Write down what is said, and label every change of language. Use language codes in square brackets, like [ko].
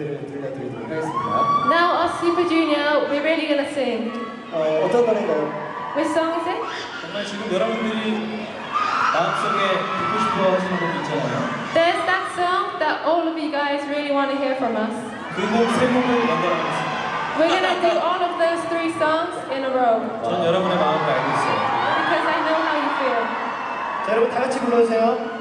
[en] Now, us Super Junior, we're really gonna sing. [ko] 어떤 노래인가요? [en] Which song is it? [ko] 정말 지금 여러분들이 다음 송에 듣고 싶어 하시는 곡 있잖아요. [en] There's that song that all of you guys really want to hear from us. [ko] 그 곡 세 곡을 만들어보겠습니다. [en] We're gonna do all of those three songs in a row. [ko] 저는 여러분의 마음을 알고 있어요. [en] Because I know how you feel. [ko] 자, 여러분 다 같이 불러주세요.